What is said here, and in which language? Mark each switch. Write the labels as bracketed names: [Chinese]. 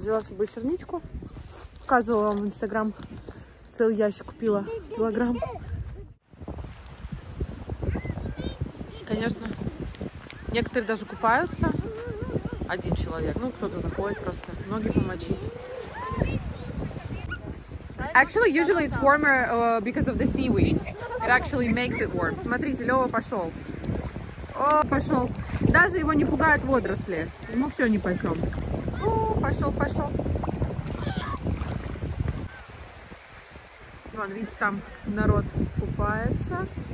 [Russian] Взяла с собой черничку. Показывала вам в инстаграм. Целый ящик купила. Килограмм. Конечно, некоторые даже купаются. Один человек. Ну, кто-то заходит просто. Ноги помочить. [English] Actually, usually it's warmer because of the seaweed. It actually makes it warm. [Russian] Смотрите, Лёва пошел. О, пошел. Даже его не пугают водоросли. Ему все ни по чем. О, пошел. Вон, видите, там народ купается.